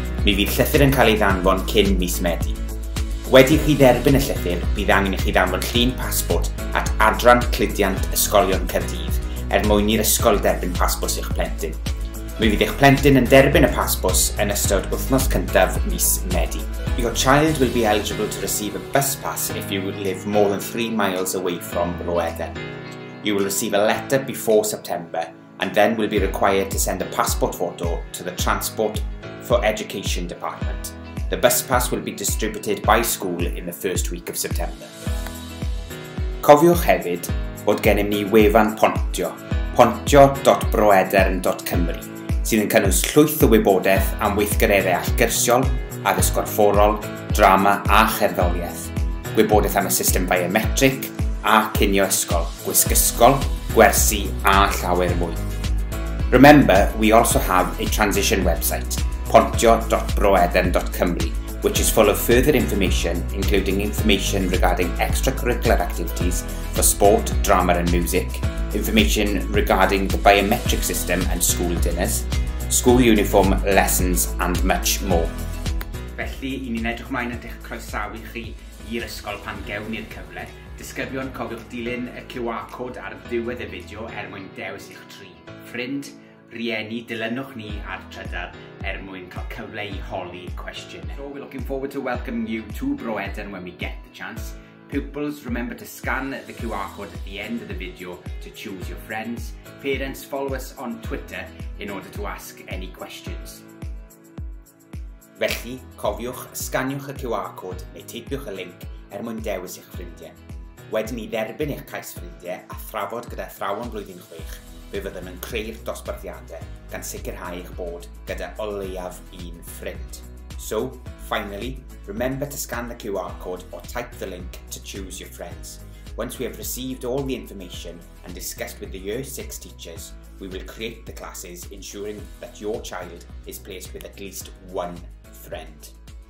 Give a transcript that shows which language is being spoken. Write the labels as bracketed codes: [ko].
[cy] Mi fydd llythyr yn cael ei ddanfon cyn mis Medi. Wedi chi dderbyn y llythyr, bydd angen i chi ddanfod llun pasbwt at Adran Cludiant Ysgolion Caerdydd er mwyn i'r ysgol derbyn pasbwt i'ch plentyn. Mi fydd eich plentyn yn derbyn y pasbwt yn ystod wythnos cyntaf mis Medi. [en] Your child will be eligible to receive a bus pass if you live more than 3 miles away from Bro Edern. You will receive a letter before September and then will be required to send a passport photo to the Transport for Education Department. The bus pass will be distributed by school in the first week of September. [cy] Cofiwch hefyd bod gennym ni wefan pontio, pontio.broedern.cymru, sydd yn cynnwys llwyth o wybodaeth am weithgareddau allgyrsiol, addysg gorfforol, drama a cherddoriaeth. Gwybodaeth am y system biometric a cynio ysgol, gwisgysgol, gwersi a llawer mwy. [en] Remember, we also have a transition website, pontio.broeden.cymru, which is full of further information, including information regarding extracurricular activities for sport, drama and music, information regarding the biometric system and school dinners, school uniform lessons and much more. [cy] Felly, i ni'n edrych mlaen at eich croesawu chi i'r ysgol pan gewn ni'r cyfle. Disgyblion, cofiwch dilyn y QR code ar ddiwedd y fideo er mwyn dewis eich tri. Ffrind, rieni, dilynwch ni ar Trydar er mwyn cael cyfle i holi cwestiynau. [en] So, we're looking forward to welcoming you to Broeden when we get the chance. Pupils, remember to scan the QR code at the end of the video to choose your friends. Parents, follow us on Twitter in order to ask any questions. [cy] Felly, cofiwch, scaniwch y QR code neu teipiwch y link er mwyn dewis eich ffrindiau. Wedyn ni dderbyn eich cais ffrindiau a thrafod gyda athrawon blwyddyn 6 fe fyddwn yn creu'r dosbarthiadau gan sicrhau eich bod gyda o leiaf un ffrind. [en] So, finally, remember to scan the QR code or type the link to choose your friends. Once we have received all the information and discussed with the Year 6 teachers, we will create the classes ensuring that your child is placed with at least one friend.